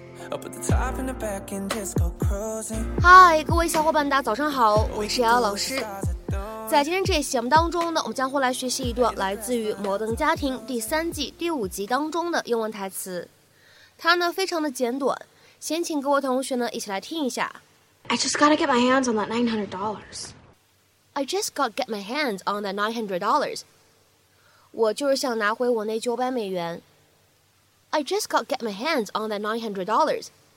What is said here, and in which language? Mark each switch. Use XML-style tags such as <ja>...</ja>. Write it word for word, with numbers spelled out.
<en>Up at the top and the back and just go cruising.</en> <zh>嗨，各位小伙伴，大家早上好，我是瑶瑶老师。在今天这一节目当中呢，我们将会来学习一段来自于《摩登家庭》第三季第五集当中的英文台词。它呢非常的简短，先请各位同学呢一起来听一下。</zh> <en>I just gotta get my hands on that nine hundred dollars. I just gotta get my hands on that nine hundred dollars.</en> <zh>我就是想拿回我那九百美元。</zh> <en>I just gotta get my hands on that nine hundred dollars.</en>